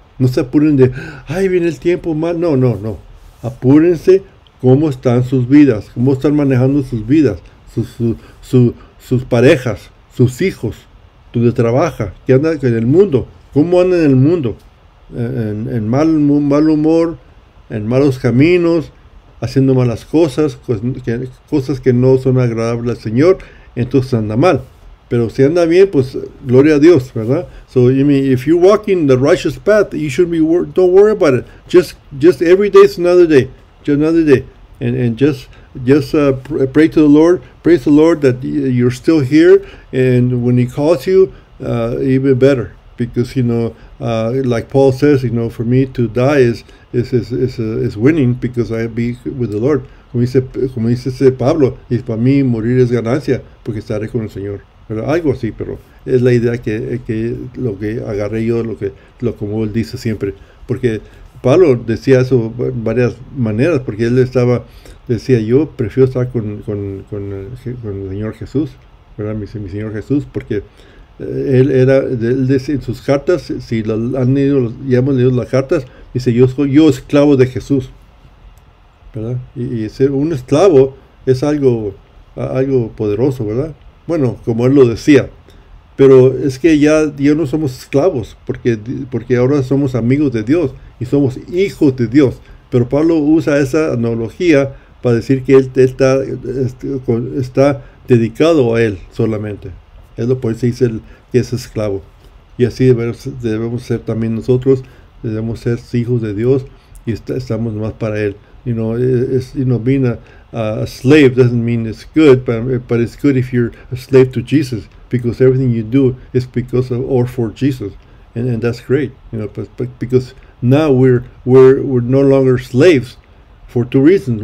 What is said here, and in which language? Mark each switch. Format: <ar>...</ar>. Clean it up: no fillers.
<es>No se apuren de, ay, viene el tiempo mal. No. Apúrense cómo están sus vidas, cómo están manejando sus vidas, sus parejas, sus hijos, donde trabaja, qué anda en el mundo, cómo anda en el mundo, en mal humor, en malos caminos, haciendo malas cosas, cosas que no son agradables al Señor, entonces anda mal. Pero si anda bien, pues gloria a Dios, ¿verdad?</es> <en>So, I mean, if you're walking the righteous path, you should be wor don't worry about it. Just every day is another day, just another day, and just pray to the Lord, praise the Lord that you're still here, and when He calls you, even better, because like Paul says, for me to die is winning because I be with the Lord.</en> <es>Como dice ese Pablo, y para mí morir es ganancia porque estaré con el Señor. Pero algo así, pero es la idea lo que agarré yo, como él dice siempre. Porque Pablo decía eso de varias maneras, porque él decía, yo prefiero estar con el Señor Jesús, ¿verdad? Mi Señor Jesús, porque él decía en sus cartas, si ya hemos leído las cartas, dice, yo esclavo de Jesús, ¿verdad? Y ser un esclavo es algo poderoso, ¿verdad? Bueno, como él lo decía, pero es que ya no somos esclavos, porque ahora somos amigos de Dios y somos hijos de Dios. Pero Pablo usa esa analogía para decir que él está dedicado a él solamente. Es lo que dice él, que es esclavo. Y así debemos ser también nosotros, debemos ser hijos de Dios y estamos más para él.</es> <en>A slave doesn't mean it's good, but it's good if you're a slave to Jesus, because everything you do is because of or for Jesus, and that's great, but because now we're no longer slaves for two reasons.</en>